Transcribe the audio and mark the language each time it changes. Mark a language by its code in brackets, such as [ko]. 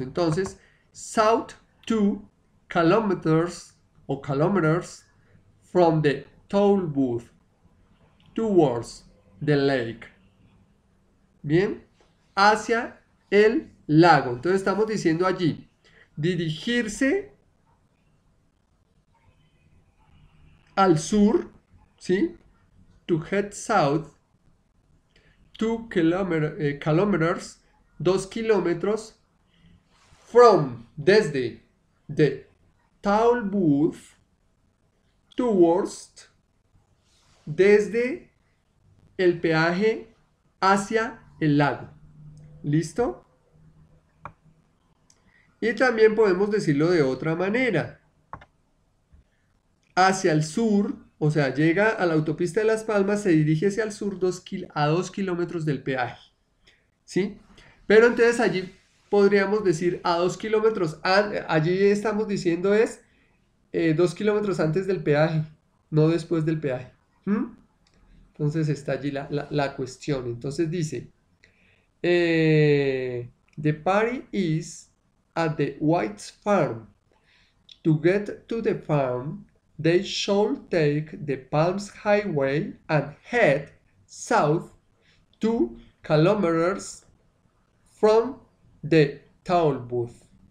[es] Entonces, [en] south 2 kilometers o kilometers from the toll booth towards the lake. [es] Bien, hacia el lago. Entonces estamos diciendo allí, dirigirse al sur, ¿sí? [en] To head south 2 kilometers, [es] 2 kilómetros. From, desde, [en] the toll booth, towards, [es] desde el peaje hacia el lago. ¿Listo? Y también podemos decirlo de otra manera. Hacia el sur, o sea, llega a la autopista de Las Palmas, se dirige hacia el sur a 2 kilómetros del peaje. ¿Sí? Pero entonces allí podríamos decir a 2 kilómetros, allí estamos diciendo es 2 kilómetros antes del peaje, no después del peaje. Entonces está allí la cuestión. Entonces dice, [en] the party is at the White's Farm. To get to the farm, They shall take the Palms Highway and head south 2 kilometers from the toll booth.